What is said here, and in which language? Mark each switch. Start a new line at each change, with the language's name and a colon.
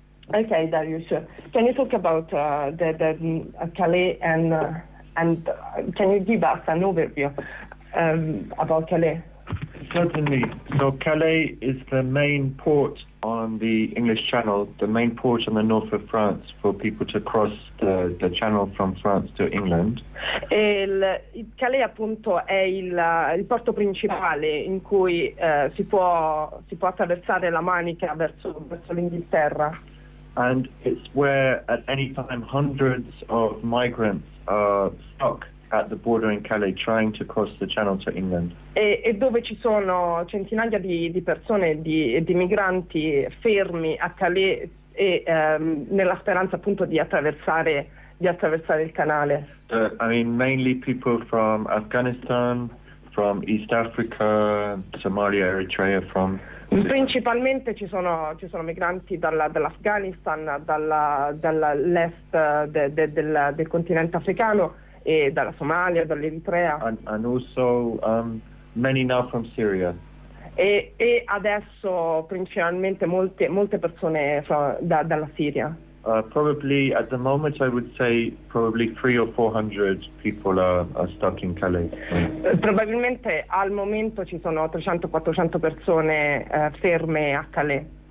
English: Okay, Darius, can you talk about Calais and can you give us an overview about Calais? Certainly. So Calais is the main port on the English Channel, the main port on the north of France for people to cross the channel from France to England.
Italian: Calais appunto è il porto principale in cui si può attraversare la Manica verso l'Inghilterra.
English: And it's where at any time hundreds of migrants are stuck at the border in Calais trying to cross the channel to England.
Italian: E dove ci sono centinaia di persone, di migranti fermi a Calais nella speranza appunto di attraversare il canale.
English: Mainly people from Afghanistan, from East Africa, Somalia, Eritrea, from...
Italian: Principalmente ci sono migranti dall'Afghanistan, dall'est del continente africano e dalla Somalia, dall'Eritrea.
English: And also many now from Syria.
Italian: E adesso principalmente molte persone dalla Siria.
English: Probably at the moment I would say probably 300 or 400 people are stuck in Calais.
Italian: Probabilmente al momento ci sono 300-400 persone ferme a Calais.